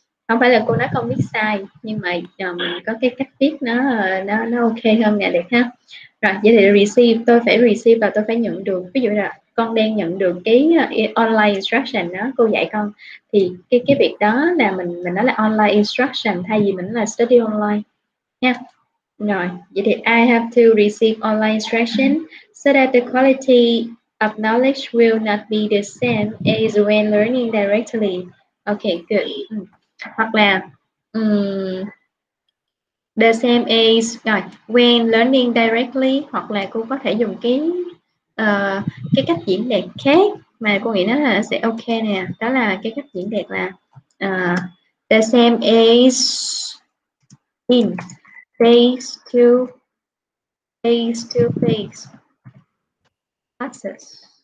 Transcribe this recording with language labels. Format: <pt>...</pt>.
<vi>Không phải là cô nói không biết sai, nhưng mà có cái cách viết nó ok hơn nè, đẹp ha. Rồi, vậy thì receive, tôi phải receive và tôi phải nhận được. Ví dụ là con đang nhận được cái online instruction đó, cô dạy con. Thì cái việc đó là mình nói là online instruction thay vì mình nói là</vi> <en>study online</en> <vi>nha. Rồi, vậy thì</vi> <en>I have to receive online instruction so that the quality of knowledge will not be the same as when learning directly. Ok, good.</en> <vi>Hoặc là</vi> <en>the same as when learning directly,</en> <vi>hoặc là cô có thể dùng cái cách diễn đạt khác mà cô nghĩ nó là sẽ ok nè, đó là cái cách diễn đạt là</vi> <en>the same as in face to face classes.</en>